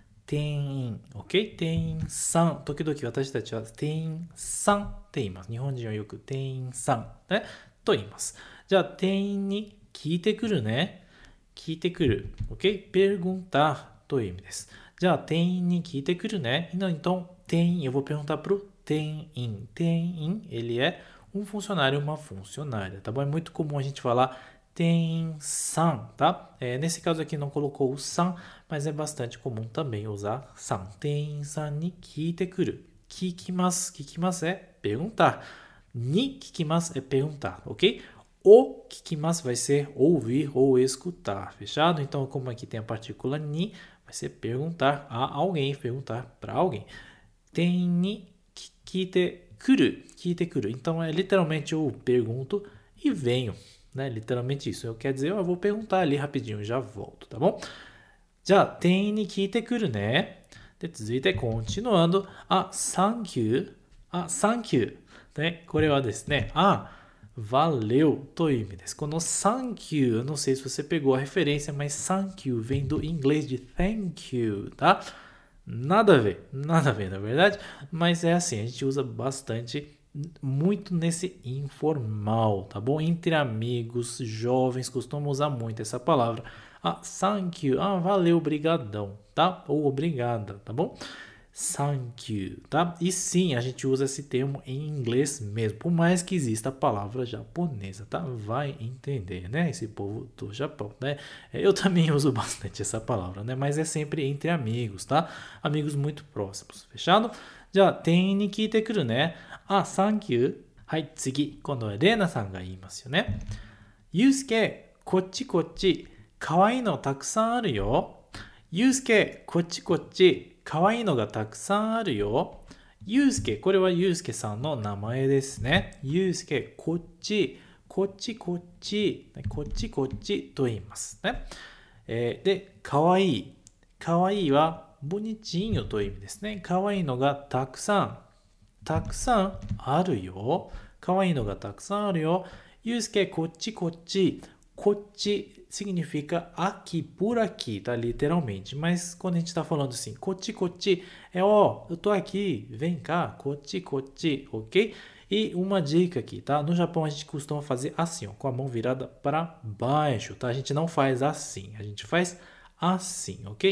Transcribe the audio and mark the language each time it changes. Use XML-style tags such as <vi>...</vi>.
<ja>店員、OK？ 店員さん。時々私たちは店員さんって言います。日本人はよく店員さん、ね、と言います。じゃあ、店員に聞いてくるね。聞いてくる。OK？ perguntar という意味です。じゃあ、店員に聞いてくるね。</ja> <pt>Então, 店員、eu vou perguntar pro 店員。 店員、ele é um funcionário, uma funcionária, tá bom? É muito comum a gente falar 店員さん, tá? É, nesse caso aqui não colocou o さん, mas é bastante comum também usar さん.</pt> <ja>店員さんに聞いてくる。聞きます。</ja> <pt>聞きますé perguntar. に聞きますé perguntar, ok? O 聞きます vai ser ouvir ou escutar, fechado? Então, como aqui tem a partícula に, vai ser perguntar a alguém, perguntar para alguém.</pt> <ja>店員に聞いてくる。聞いてくる。</ja> <pt>Então, é literalmente eu pergunto e venho. Né? Literalmente isso. Eu quero dizer, eu vou perguntar ali rapidinho, já volto, tá bom?</pt> <ja>Já, 店員に聞いてくるね。で、続いて、continuando. あ、thank you. あ、thank you. ね、これはですね、あ、valeu という意味です。</ja> <pt>この thank you、não sei se você pegou a referência, mas thank you vem do inglês de thank you, tá? Nada a ver, nada a ver, na verdade. Mas é assim, a gente usa bastante. Muito nesse informal, tá bom? Entre amigos, jovens, costumam usar muito essa palavra. Ah, thank you. Ah, valeu, brigadão, tá? Ou obrigada, tá bom? Thank you, tá? E sim, a gente usa esse termo em inglês mesmo, por mais que exista a palavra japonesa, tá? Vai entender, né? Esse povo do Japão, né? Eu também uso bastante essa palavra, né? Mas é sempre entre amigos, tá? Amigos muito próximos, fechado?</pt> <ja>Já, 店員に聞いてくるね。あ、thank you。はい、次。今度はレーナさんが言いますよね。ユースケ、こっちこっち。かわいいのたくさんあるよ。ユースケ、こっちこっち。かわいいのがたくさんあるよ。ユースケ、これはユースケさんの名前ですね。ユースケ、こっち、こっちこっち、こっちこっちと言いますね。で、かわいい。かわいいは、ボニチンよという意味ですね。かわいいのがたくさん。たくさんあるよ。かわいいのがたくさんあるよ。ユースケ、こっちこっち。</ja> <pt>こっち significa aqui, por aqui, tá? Literalmente. Mas quando a gente tá falando assim, こっちこっち、é ó, eu tô aqui, vem cá, こっちこっち、ok? E uma dica aqui, tá? No Japão a gente costuma fazer assim, ó, com a mão virada para baixo, tá? A gente não faz assim, a gente faz assim, ok?</pt>